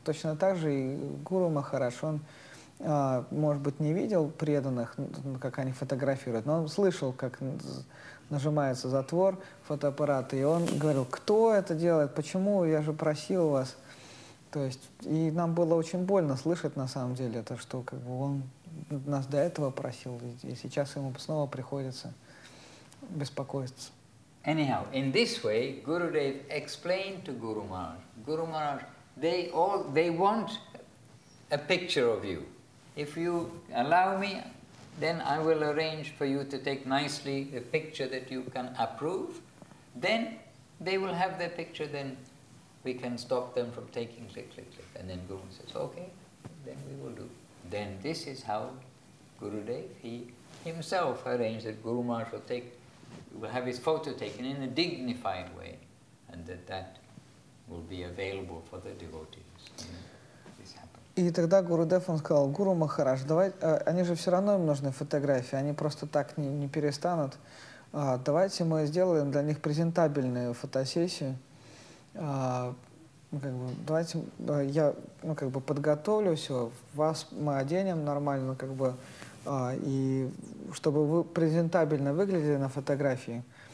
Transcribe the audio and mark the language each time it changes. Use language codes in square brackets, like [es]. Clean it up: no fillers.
[ru] Точно так же и Гуру Махарадж, он, может быть, не видел преданных, как они фотографируют, но он слышал, как нажимается затвор фотоаппарата, и он говорил, кто это делает, почему, я же просил вас. То есть, и нам было очень больно слышать, на самом деле, это, что как бы он нас до этого просил, и сейчас ему снова приходится беспокоиться. [en] Anyhow, in this way, Gurudev explained to Guru Maharaj, Guru Maharaj, they want a picture of you. If you allow me, then I will arrange for you to take nicely a picture that you can approve. Then they will have their picture, then we can stop them from taking click, click, click. And then Guru says, okay, then we will do. Then this is how Gurudev, he himself arranged that Guru Maharaj will have his photo taken in a dignified way, and that will be available for the devotees. [ru] И тогда Гурудев, он сказал, Гуру Махарадж, они же все равно им нужны фотографии, они просто так не перестанут. Давайте мы сделаем для них презентабельную фотосессию. Я подготовлю все, вас мы оденем нормально, как бы, и чтобы вы презентабельно выглядели на фотографии.